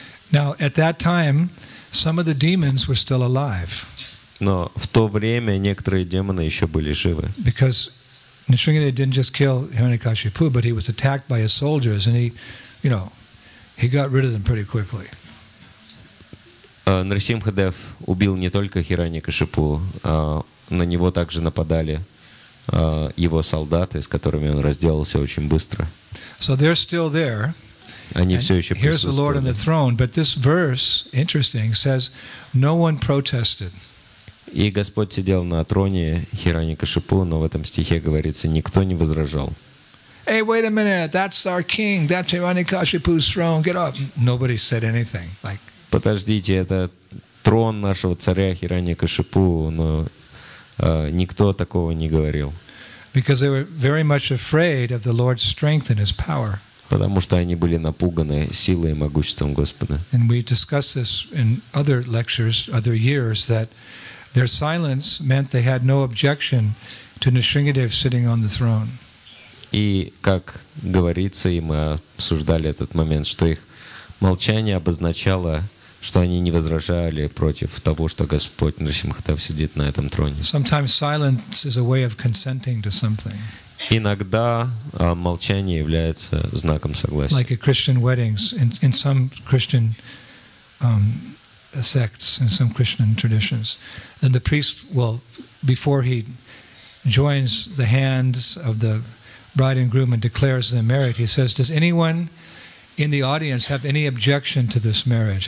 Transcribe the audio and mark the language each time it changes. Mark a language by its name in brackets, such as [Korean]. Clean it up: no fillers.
[English] Now, at that time, some of the demons were still alive. [Russian] Но в то время некоторые демоны еще были живы. [English] Because Nrisimhadev didn't just kill Hiranyakashipu, but he was attacked by his soldiers, and he, you know, he got rid of them pretty quickly. [Russian] Нрисимхадев убил не только Хираньякашипу, на него также нападали его солдаты, с которыми он разделался очень быстро. [English] So they're still there. [Russian] Они все еще присутствовали. [English] Here's the Lord on the throne, but this verse, interesting, says no one protested. [Russian] И Господь сидел на троне Хираньякашипу, но в этом стихе говорится, никто не возражал. [English] Hey, wait a minute, that's our king, that's Hiranyakashipu's throne, get up. Nobody said anything. Like, [Russian] подождите, это трон нашего царя Хираньякашипу, но никто такого не говорил. [English] Because they were very much afraid of the Lord's strength and his power. [Russian] Потому что они были напуганы силой и могуществом Господа. [English] And we discussed this in other lectures, other years, that their silence meant they had no objection to Nrisimhadev sitting on the throne. [Russian] И как говорится, и мы обсуждали этот момент, что их молчание обозначало, что они не возражали против того, что Господь Нрисимхадев сидит на этом троне. [English] Sometimes silence is a way of consenting to something. [Russian] Иногда молчание является знаком согласия. [English] Like at Christian weddings, in some Christian sects, in some Christian traditions. And the priest, well, before he joins the hands of the bride and groom and declares them married, he says, does anyone in the audience have any objection to this marriage?